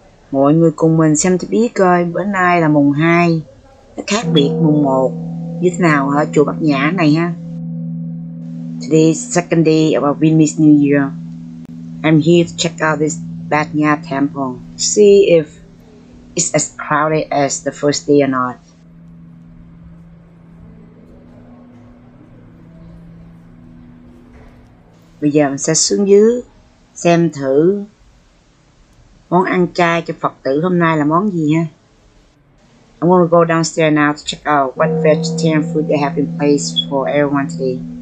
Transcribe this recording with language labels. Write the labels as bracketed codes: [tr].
[vi] Mọi người cùng mình xem cho biết coi bữa nay là mùng 2. Nó khác biệt mùng 1 như thế nào ở chùa Bát Nhã này ha. [en] Today's second day of our Vietnamese New Year. I'm here to check out this Bát Nhã temple. See if it's as crowded as the first day or not. [vi] Bây giờ mình sẽ xuống dưới xem thử món ăn chay cho Phật tử hôm nay là món gì ha. [en] I'm gonna go downstairs now to check out what vegetarian food they have in place for everyone today.